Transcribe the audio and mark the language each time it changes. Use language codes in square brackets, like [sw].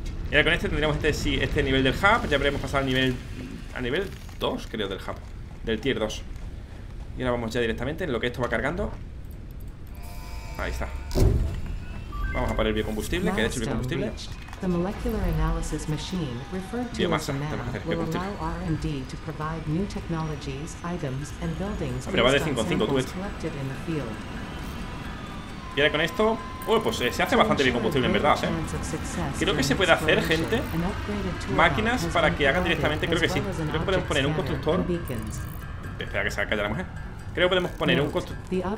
[es] Y ahora con este tendríamos este nivel del hub. Ya habríamos pasado al nivel. A nivel 2, creo, del hub. Del tier 2. Y ahora vamos ya directamente en lo que esto va cargando. Ahí está. Vamos a poner el biocombustible, que de hecho el biocombustible. [en] The molecular analysis machine referred to as MAM will allow R&D to provide new technologies, items, and buildings based on samples collected in the field. [es] Y ahora con esto, pues se hace bastante bien combustible en verdad, Creo que se puede hacer, gente, máquinas para que hagan directamente, creo que sí. Creo que podemos poner un constructor. Espera que se calle la mujer. Creo que podemos poner un constructor.